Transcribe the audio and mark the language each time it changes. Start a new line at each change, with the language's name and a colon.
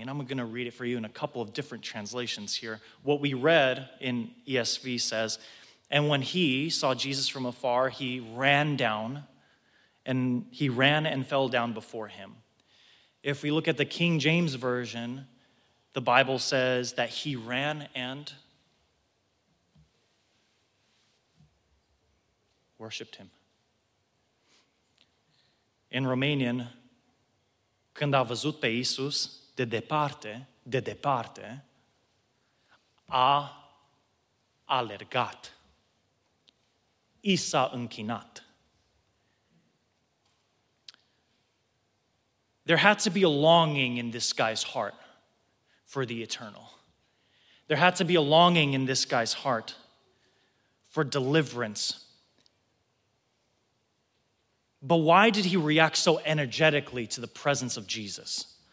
English: And I'm going to read it for you in a couple of different translations here. What we read in ESV says, "And when he saw Jesus from afar, he ran down, and he ran and fell down before him." If we look at the King James Version, the Bible says that he ran and worshipped him. In Romanian,
Romanian: când a văzut pe Iisus de departe, a alergat, i s-a închinat.
English: There had to be a longing in this guy's heart for the eternal. There had to be a longing in this guy's heart for deliverance. But why did he react so energetically to the presence of Jesus?